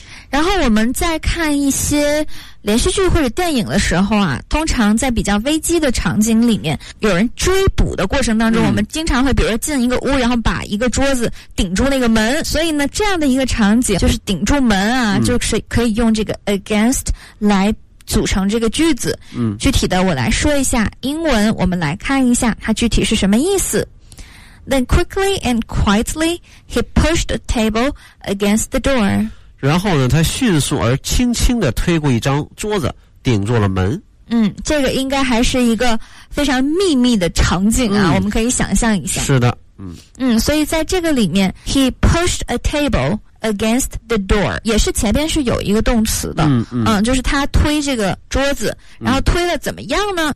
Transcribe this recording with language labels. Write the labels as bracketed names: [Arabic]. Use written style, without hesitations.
[Chinese] 然后我们在看一些连续剧或者电影的时候啊，通常在比较危机的场景里面，有人追捕的过程当中，我们经常会比如说进一个屋，然后把一个桌子顶住那个门，所以呢这样的一个场景就是顶住门啊，就是可以用这个 against 来组成这个句子。具体的我来说一下英文，我们来看一下它具体是什么意思。 [English] Then quickly and quietly he pushed a table against the door. [Chinese] 然后呢他迅速而轻轻地推过一张桌子顶住了门。这个应该还是一个非常秘密的场景啊，我们可以想象一下。是的。所以在这个里面 [English] he pushed a table against the door， [Chinese] 也是前边是有一个动词的，就是他推这个桌子，然后推了怎么样呢？